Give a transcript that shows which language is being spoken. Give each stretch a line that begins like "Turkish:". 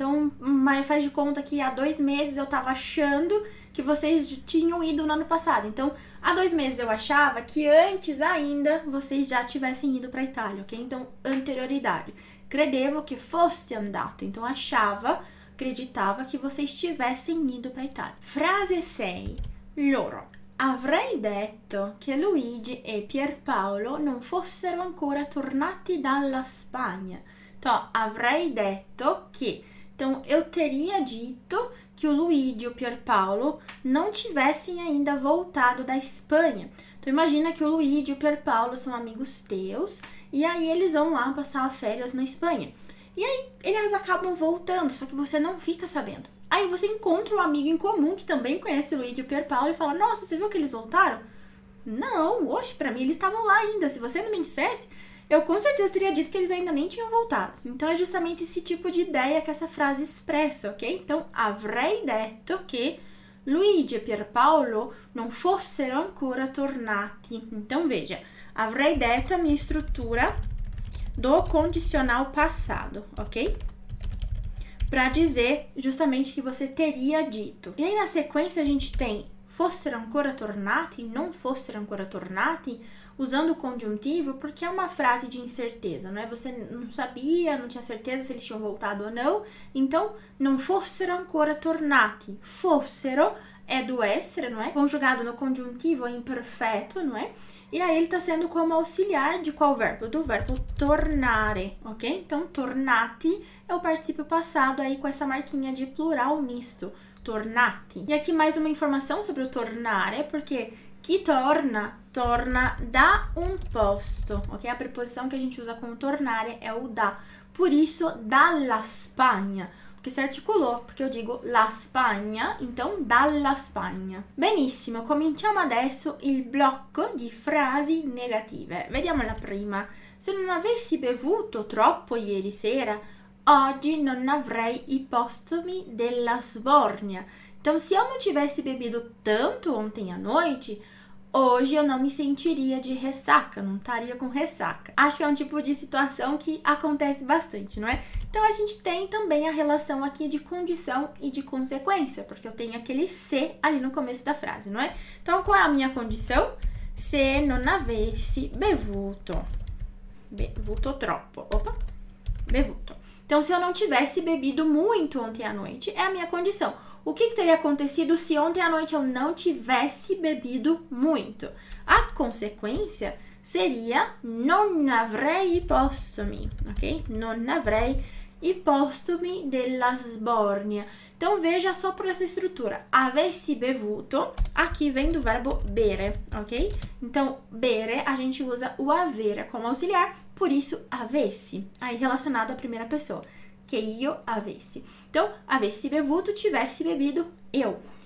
Portuguese: Então, mas faz de conta que há 2 meses eu estava achando que vocês tinham ido no ano passado. Então, há 2 meses eu achava que antes ainda vocês já tivessem ido para Itália, ok? Então, anterioridade.
Italian: Credevo que foste andato.
Portuguese: Então, achava, acreditava que vocês tivessem ido para Itália.
Italian: Frase 6. Loro. Avrei detto che Luigi e Pierpaolo non fossero ancora tornati dalla Spagna. Então, avrei detto che.
Portuguese: Então, eu teria dito que o Luigi e o Pierpaolo não tivessem ainda voltado da Espanha. Então, imagina que o Luigi e o Pierpaolo são amigos teus e aí eles vão lá passar férias na Espanha. E aí eles acabam voltando, só que você não fica sabendo. Aí você encontra um amigo em comum que também conhece o Luigi e o Pierpaolo e fala: Nossa, você viu que eles voltaram? Não, oxe, pra mim eles estavam lá ainda. Se você não me dissesse, eu com certeza teria dito que eles ainda nem tinham voltado. Então é justamente esse tipo de ideia que essa frase expressa, ok?
Italian: Então, avrei detto che Luigi e Pierpaolo non fossero ancora tornati.
Portuguese: Então veja, avrei detto a minha estrutura do condicional passado, ok? Para dizer justamente que você teria dito. E aí na sequência a gente tem
Italian: fossero ancora tornati, non fossero ancora tornati,
Portuguese: usando o conjuntivo porque é uma frase de incerteza, não é? Você não sabia, não tinha certeza se eles tinham voltado ou não.
Italian: Então, non fossero ancora tornati.
Portuguese: Fossero é do essere, não é? Conjugado no conjuntivo é imperfeito, não é? E aí ele está sendo como auxiliar de qual verbo? Do verbo tornare, ok? Então, tornati é o particípio passado aí com essa marquinha de plural misto, tornati. E aqui mais uma informação sobre o tornare, porque chi torna, torna da un posto, ok? A preposição que a gente usa com tornare é o da. Por isso, dalla Spagna. Porque si articolou, porque eu digo la Spagna, então dalla Spagna.
Italian: Benissimo, cominciamo adesso il blocco di frasi negative. Vediamo la prima. Se non avessi bevuto troppo ieri sera, oggi non avrei i postumi della sbornia.
Portuguese: Então, se eu não tivesse bebido tanto ontem à noite, hoje eu não me sentiria de ressaca, não estaria com ressaca. Acho que é um tipo de situação que acontece bastante, não é? Então a gente tem também a relação aqui de condição e de consequência, porque eu tenho aquele se ali no começo da frase, não é? Então qual é a minha condição?
Italian: Se non avessi bevuto. Bevuto troppo. Opa! Bevuto.
Portuguese: Então se eu não tivesse bebido muito ontem à noite, é a minha condição. O que que teria acontecido se ontem à noite eu não tivesse bebido muito? A consequência seria
Italian: non avrei i postumi,
Portuguese: ok?
Italian: Non avrei i postumi della sbornia.
Portuguese: Então veja só por essa estrutura. Avessi bevuto, aqui vem do verbo bere, ok? Então bere a gente usa o avere como auxiliar, por isso avessi, aí relacionado à primeira pessoa. Que eu avesse. Então, avesse bevuto, tivesse bebido eu.